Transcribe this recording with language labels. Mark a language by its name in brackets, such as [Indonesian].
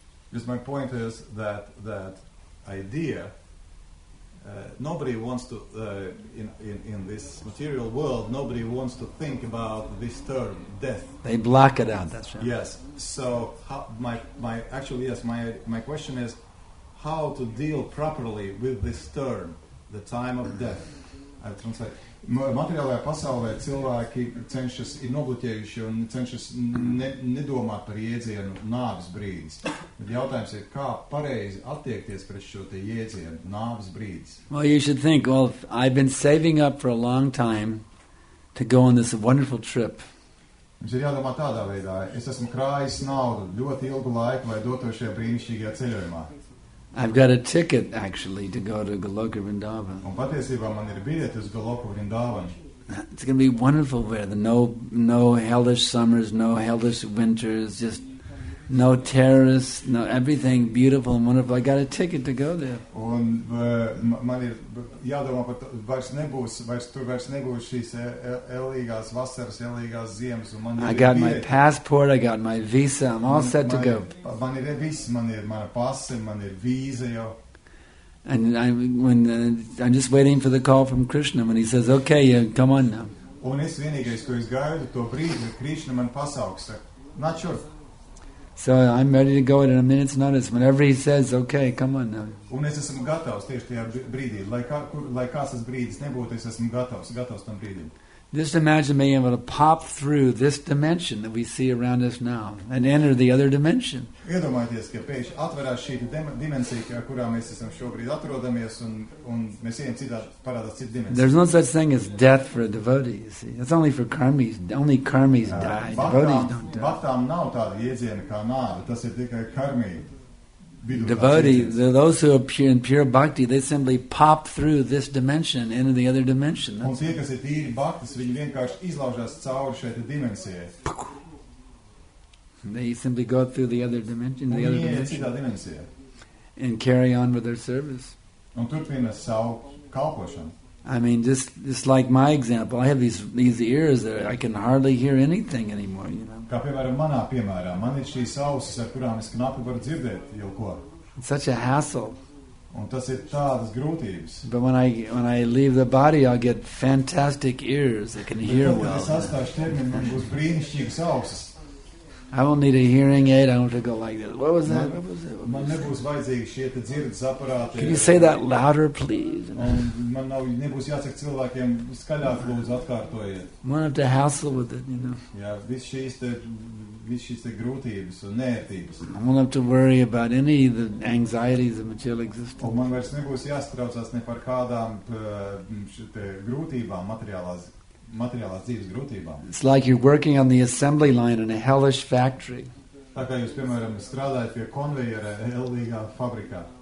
[English] Because my point is that idea, nobody wants to in this material world, nobody wants to think about this term death. They block it out. That's right. Yes. So how, my question is how to deal properly with this term, the time of death. I'll translate. [Latvian] materiālajā pasaulē cilvēki cenšas, ir nobluķējuši un cenšas nedomāt par jēdzienu nāves brīdis. Bet jautājums ir, kā pareizi attiekties pret šo te jēdzienu nāves brīdis? [English] Well, you should think, well, I've been saving up for a long time to go on this wonderful trip. [Latvian] Mums ir jādomā tādā veidā. Es esmu krājis naudu ļoti ilgu laiku, lai doto šajā brīnišķīgajā ceļojumā. [English] I've got a ticket, actually, to go to Goloka Vrindavan. [Latvian] Un patiesībā man ir biļete uz Goloka Vrindavan. [English] It's going to be wonderful weather. No hellish summers, no hellish winters, just no terrorists, no everything beautiful and wonderful. I got a ticket to go there. [Latvian] Un man ir jādomā, ka vairs nebūs šīs elīgās vasaras, elīgās ziemas. Un man ir [English] I got my passport, I got my visa, I'm all set to go. [Latvian] Man ir viss, man ir mana pase, man ir vīza jau. [English] And I'm just waiting for the call from Krishna when he says, okay, yeah, come on now. [Latvian] Un es vienīgais, ko es gaidu, to brīdi, kad Krishna man pasauks. [English] Not sure. So I'm ready to go at a minute's notice. Whenever he says, okay, come on now. [Latvian] Un es esmu gatavs tieši tajā brīdī. Lai kāds tas brīdis nebūtu, es esmu gatavs tam brīdim. [English] Just imagine being able to pop through this dimension that we see around us now and enter the other dimension. [Latvian] Iedomājieties, ka pēkšņi atverās šī dimensija, kurā mēs esam šobrīd atrodamies, un mēs ejam citā, parādās citu dimensiju. [English] There's no such thing as death for a devotee, you see. It's only for karmis. Only karmis die. Devotees don't die. [Latvian] Bhaktām nav tāda iedziena kā nāve. Tas ir tikai karmī. [English] Devotee, those who are pure in pure bhakti, they simply pop through this dimension into the other dimension. [Latvian] Un tie, kas ir tīri bhaktis, viņi vienkārši izlaužās cauri šeit dimensijai. [English] They simply go through the other dimension, the other [Latvian] dimensija. [English] And carry on with their service. [Latvian] Un turpina savu kalpošanu. [English] I mean, just like my example, I have these ears that I can hardly hear anything anymore, you know. [Latvian] Kā piemēram manā piemērā, man ir šīs ausis, ar kurām es knapi varu dzirdēt jau ko. [English] It's such a hassle. [Latvian] Un tas ir tādas grūtības. [English] But when I leave the body, I'll get fantastic ears that can hear well. [Latvian] Es atstāšu tevi, man būs brīnišķīgas ausis. [English] I won't need a hearing aid, I don't have to go like that. What was that? What was it? [Latvian] Man nebūs vajadzīgi šie te dzirdes aparāti. [English] Can you say that louder, please? [Latvian] Man nebūs jāsaka cilvēkiem skaļāk lūdzu atkārtojiet. [English] Man have to hassle with it, you know. [Latvian] Jā, visi šīs te grūtības un nērtības. [English] I won't have to worry about any of the anxieties of material existence. [Latvian] Un man vairs nebūs jāstraucās ne par kādām te grūtībām materiālās dzīves grūtībām. [English] It's like you're working on the assembly line in a hellish factory. [Latvian] Tā kā jūs, piemēram, strādājat pie konvejera hellīgā fabrikā.